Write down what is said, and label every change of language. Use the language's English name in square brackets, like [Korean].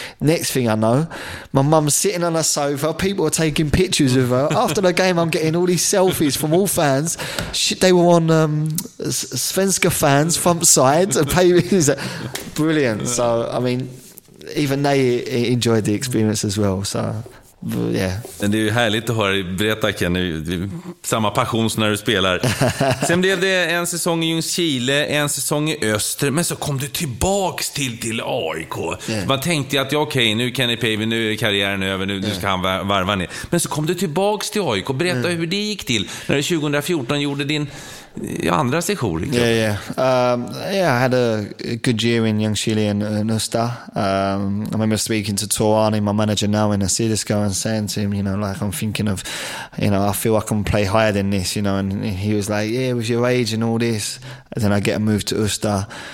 [English] Next thing I know, my mum's sitting on a sofa. People are taking pictures of her. After the game, I'm getting all these selfies from all fans. They were on Svenska fans, front sides of Pavey's. Brilliant. So, I mean, even they enjoyed the experience as well, so... Yeah. [Swedish] Men det är ju härligt att höra dig berätta, Kenny. Samma passion som när du spelar. Sen blev det en säsong i Ljungskile, en säsong i Öster, men så kom du tillbaks till AIK. [English] Yeah. [Swedish] Man tänkte ju att ja, okej, nu Kenny Pavey, nu är karriären över, nu ska han varva ner. Men så kom du tillbaks till AIK. Berätta hur det gick till när du 2014 gjorde din andra säsong. Liksom. [English] Yeah, yeah. Yeah, I had a good year in Ljungskile and Öster. I remember speaking to Torani, my manager now in Assyriska, and saying to him, you know, like, I'm thinking of, you know, I feel I can play higher than this, you know. And he was like, yeah, with your age and all this. And then I get a move to Öster.